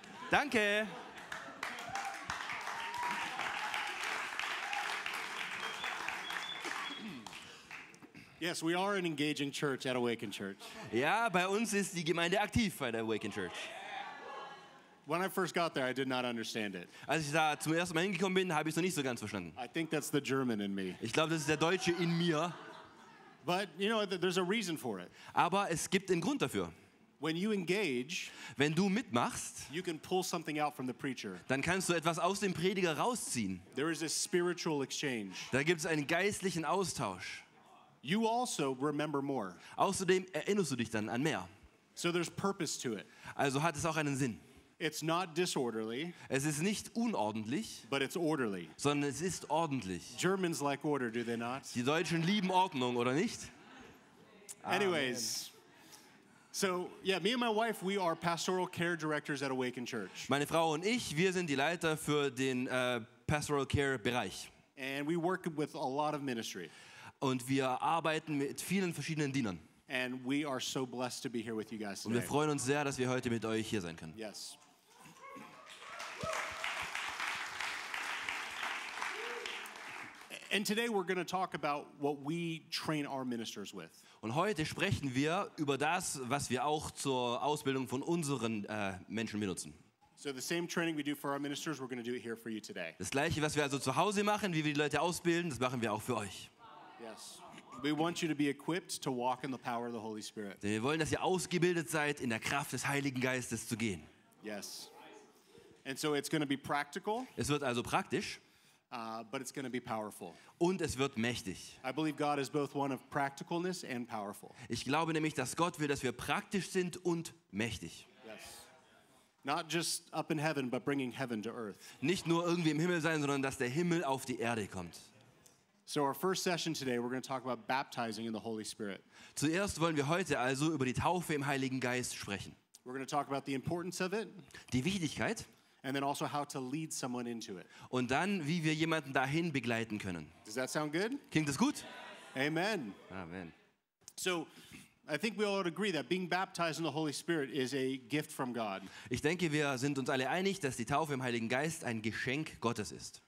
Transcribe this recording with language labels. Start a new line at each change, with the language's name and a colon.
German: Danke.
English: Yes, we are an engaging church at Awaken Church.
German: Ja, bei uns ist die Gemeinde aktiv bei der Awaken Church.
English: When I first got there, I did not understand it.
German: Als ich da zum ersten Mal hingekommen bin, habe ich es noch nicht so ganz verstanden.
English: I think that's the German in me.
German: Ich glaube, das ist der Deutsche in mir.
English: But you know, there's a reason for it.
German: Aber es gibt einen Grund dafür.
English: When you engage,
German: wenn du mitmachst,
English: you can pull something out from the preacher.
German: Dann kannst du etwas aus dem Prediger rausziehen.
English: There is a spiritual exchange.
German: Da gibt es einen geistlichen Austausch.
English: You also remember more.
German: Außerdem erinnerst du dich dann an mehr.
English: So there's purpose to it.
German: Also hat es auch einen Sinn.
English: It's not disorderly.
German: Es ist nicht unordentlich.
English: But it's orderly.
German: Sondern es ist ordentlich.
English: Germans like order, do they not?
German: Die Deutschen lieben Ordnung, oder nicht?
English: Anyways. Amen. So, yeah, me and my wife, we are pastoral care directors at Awaken Church.
German: Meine Frau und ich, wir sind die Leiter für den Pastoral Care Bereich.
English: And we work with a lot of ministry.
German: Und wir arbeiten mit vielen verschiedenen Dienern.
English: And we are so blessed to be here with you guys today.
German: Und wir freuen uns sehr, dass wir heute mit euch hier sein können.
English: Yes. And today we're going to talk about what we train our ministers with.
German: Und heute sprechen wir über das, was wir auch zur Ausbildung von unseren Menschen benutzen.
English: So the same training we do for our ministers, we're going to do it here for you today.
German: Das gleiche, was wir also zu Hause machen, wie wir die Leute ausbilden, das machen wir auch für euch.
English: Yes. We want you to be equipped to walk in the power of the Holy Spirit.
German: Wir wollen, dass ihr ausgebildet seid, in der Kraft des Heiligen Geistes zu gehen.
English: Yes. And so it's going to be practical.
German: Es wird also praktisch.
English: But it's going to be powerful.
German: Und es wird mächtig.
English: I believe God is both one of practicalness and powerful.
German: Ich glaube nämlich, dass Gott will, dass wir praktisch sind und mächtig.
English: Yes. Not just up in heaven, but bringing heaven to earth.
German: Nicht nur irgendwie im Himmel sein, sondern dass der Himmel auf die Erde kommt.
English: So our first session today, we're going to talk about baptizing in the Holy Spirit.
German: Zuerst wollen wir heute also über die Taufe im Heiligen Geist sprechen.
English: We're going to talk about the importance of it.
German: Die Wichtigkeit.
English: And then also how to lead someone into it.
German: Und dann, wie wir jemanden dahin begleiten können.
English: Does that sound good?
German: Klingt das gut?
English: Amen.
German: Amen.
English: So, I think we all agree that being baptized in the Holy Spirit is a gift from God.
German: Ich denke, wir sind uns alle einig, dass die Taufe im Heiligen Geist ein Geschenk Gottes ist.